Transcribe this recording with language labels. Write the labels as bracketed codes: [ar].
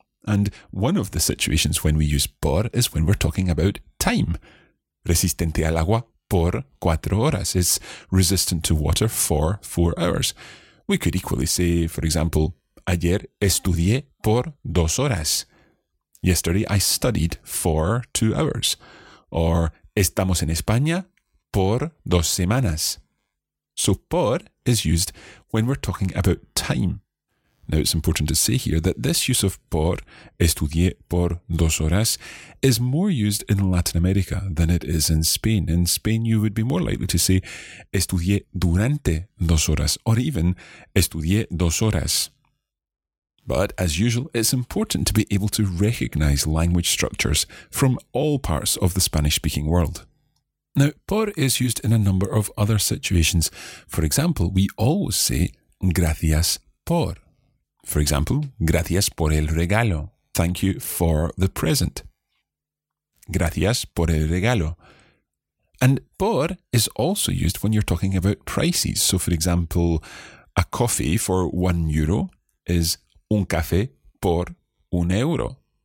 [en] And one of the situations when we use por is when we're talking about time. [es] Resistente al agua por 4 horas [en] is resistant to water for 4 hours. We could equally say, for example, [es] ayer estudié por 2 horas. [en] Yesterday I studied for 2 hours. [es] Or estamos en España por 2 semanas. [en] So por is used when we're talking about time. Now it's important to say here that this use of por, [es] estudié por 2 horas, [en] is more used in Latin America than it is in Spain. In Spain you would be more likely to say [es] estudié durante 2 horas [en] or even [es] estudié 2 horas. [en] But as usual, it's important to be able to recognise language structures from all parts of the Spanish-speaking world. Now, por is used in a number of other situations. For example, we always say [es] gracias por. [en] For example, [es] gracias por el regalo. [en] Thank you for the present. [es] Gracias por el regalo. [en] And por is also used when you're talking about prices. So, for example, a coffee for 1 euro is [es] un café por 1 euro.